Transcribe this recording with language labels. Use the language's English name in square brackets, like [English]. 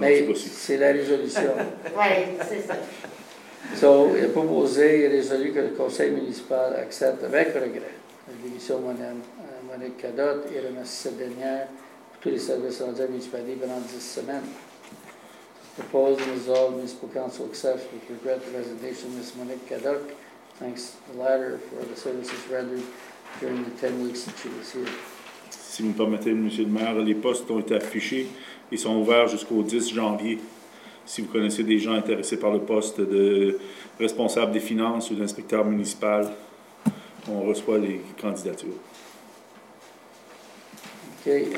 [French] mais ce possible. C'est la résolution. Oui, c'est ça. So, il est proposé et résolu que le conseil municipal accepte avec regret la démission de Monique Cadotte et remercie cette dernière pour tous les services rendus à la municipalité pendant 10 semaines. [English] Proposed and resolved, Municipal Council accepts with regret the resignation of Ms. Monique Cadoc. Thanks the latter for the services rendered during the 10 weeks that she was here. [French] Si vous me permettez, Monsieur le maire, les postes ont été affichés et sont ouverts jusqu'au 10 janvier. Si vous connaissez des gens intéressés par le poste de responsable des finances ou d'inspecteur municipal, on reçoit les candidatures. OK.